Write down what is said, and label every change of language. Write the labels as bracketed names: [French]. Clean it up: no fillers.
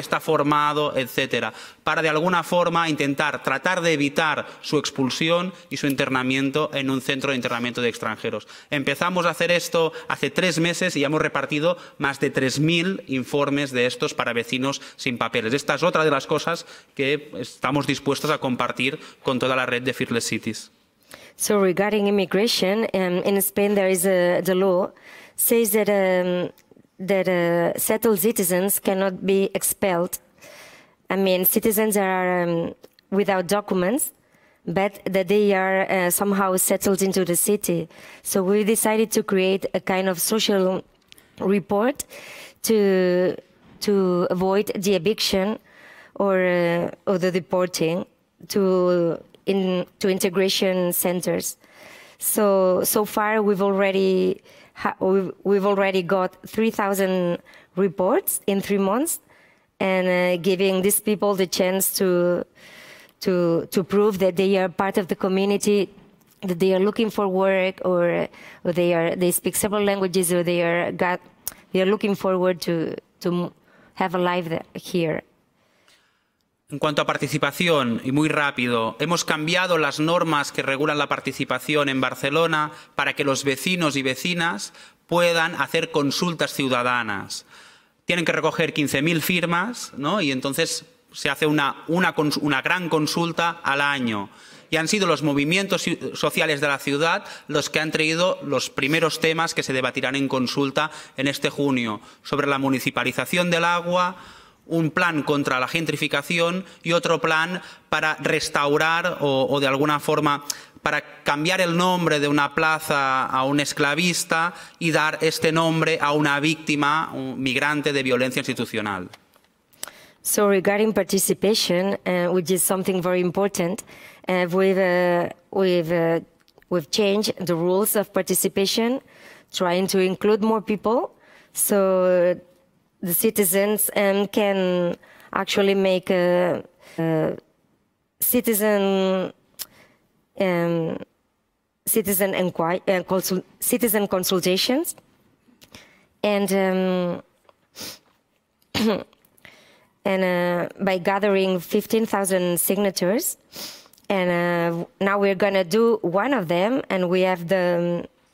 [Spanish] Que está formado, etcétera, para de alguna forma intentar tratar de evitar su expulsión y su internamiento en un centro de internamiento de extranjeros. Empezamos a hacer esto hace 3 meses y ya hemos repartido más de 3.000 informes de estos para vecinos sin papeles. Esta es otra de las cosas que estamos dispuestos a compartir con toda la red de Fearless Cities. [English] So regarding immigration, in Spain there is the law says that that settled citizens cannot be expelled. I mean, citizens are without documents, but that they are somehow settled into the city. So we decided to create a kind of social report to avoid the eviction or the deporting to integration centers. So far we've already got 3,000 reports in 3 months, and giving these people the chance to prove that they are part of the community, that they are looking for work, or they speak several languages, or they are looking forward to have a life here. [Spanish] En cuanto a participación, y muy rápido, hemos cambiado las normas que regulan la participación en Barcelona para que los vecinos y vecinas puedan hacer consultas ciudadanas. Tienen que recoger 15.000 firmas, ¿no? Y entonces se hace una gran consulta al año. Y han sido los movimientos sociales de la ciudad los que han traído los primeros temas que se debatirán en consulta en este junio, sobre la municipalización del agua, un plan contra la gentrificación y otro plan para restaurar o de alguna forma para cambiar el nombre de una plaza a un esclavista y dar este nombre a una víctima, un migrante de violencia institucional. [English] So regarding participation, which is something very important, we've changed the rules of participation, trying to include more people. So the citizens can actually make citizen consultations, and by gathering 15,000 signatures, and now we're gonna do one of them, and we have the